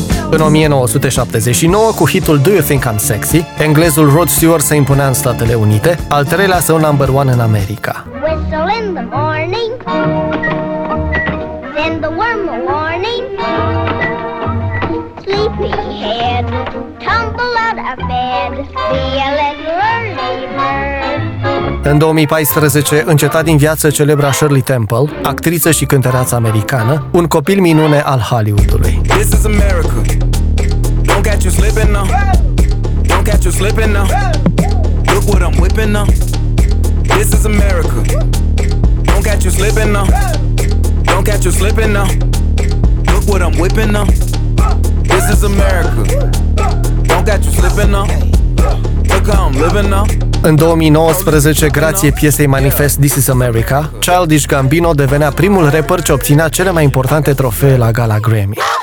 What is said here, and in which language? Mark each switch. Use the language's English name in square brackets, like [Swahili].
[Romanian] În 1979, cu hitul Do You Think I'm Sexy, englezul Rod Stewart se impunea în Statele Unite, al treilea său number one în America. [English] Whistle in the morning, send the worm a warning, sleepy head, tumble out of bed, be a little early bird. [Romanian] În 2014, înceta din viață celebra Shirley Temple, actriță și cântăreață americană, un copil minune al Hollywoodului. [English] This is America. Don't catch you slipping now. Don't catch you slipping now. Look what I'm whipping now. This is America. Don't catch you slipping now. Don't catch you slipping now. Look what I'm whipping now. This is America. Don't catch you slipping now. Look how I'm living now. [Romanian] În 2019, grație piesei Manifest This Is America, Childish Gambino devenea primul rapper ce obținea cele mai importante trofee la Gala Grammy.